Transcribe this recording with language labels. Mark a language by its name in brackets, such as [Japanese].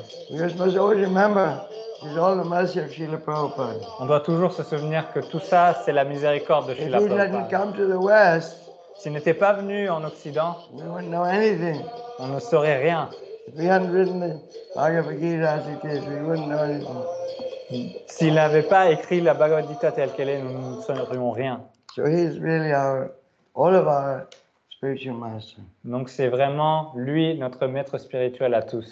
[English] We must always remember it's all the mercy of Srila Prabhupada. [French] On doit toujours se souvenir que tout ça, c'est la miséricorde de Srila Prabhupada. [English] If he hadn't come to the West, [French] s'il n'était pas venu en Occident, [English] we wouldn't know anything. [French] On ne saurait rien. [English] If he hadn't written the Bhagavad Gita as it is, we wouldn't know anything. [French] S'il n'avait pas écrit la Bhagavad Gita telle qu'elle est, nous ne saurions rien. [English] So he is really our, all of our spiritual master. [French] Donc c'est vraiment lui notre maître spirituel à tous.